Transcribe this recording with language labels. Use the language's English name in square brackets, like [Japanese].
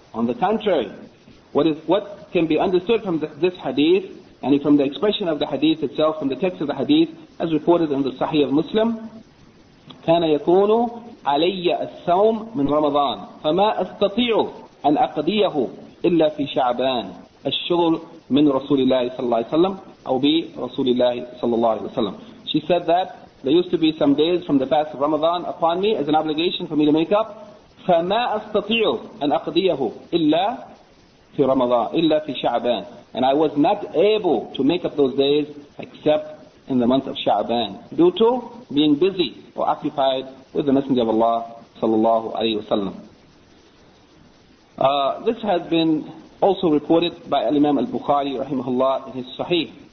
[English] On the contrary, what can be understood from this hadith and from the expression of the hadith itself, from the text of the hadith, as reported in the Sahih of Muslim, [Arabic] كان يكون علي السوم من رمضان فما أستطيع أن أقضيه إلا في شعبان الشغل من رسول الله صلى الله عليه وسلم أو برسول الله صلى الله عليه وسلم. [English] She said that there used to be some days from the fast of Ramadan upon me as an obligation for me to make up. [Arabic] فما أستطيع أن أقضيه إلا في رمضان إلا في شعبان. [English] And I was not able to make up those days except in the month of Sha'ban due to being busy or occupied with the Messenger of Allah صلى الله عليه وسلم. This has been also reported by Al-Imam Al-Bukhari rahimahullah in his Sahih.